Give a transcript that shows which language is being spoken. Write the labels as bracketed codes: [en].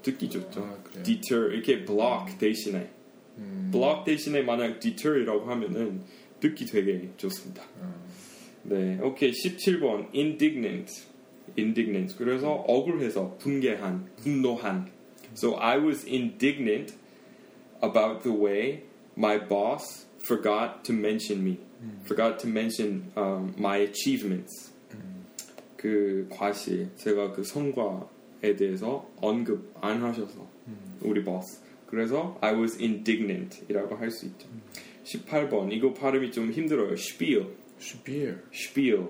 [ko] 듣기 좋죠. Deter 이렇게 block 대신에 block 대신에 만약 deter이라고 하면은 듣기 되게 좋습니다. 네, 오케이. 17번 indignant. Indignant. 그래서 억울해서 분개한, 분노한. [en] So I was indignant about the way my boss forgot to mention me. Forgot to mention my achievements. [ko] 그 과실, 제가 그 성과에 대해서 언급 안 하셔서 우리 boss. 그래서 [en] I was indignant [ko] 이라고 할 수 있죠. 18번 이거 발음이 좀 힘들어요. [en] Spiel. Spiel. Spiel.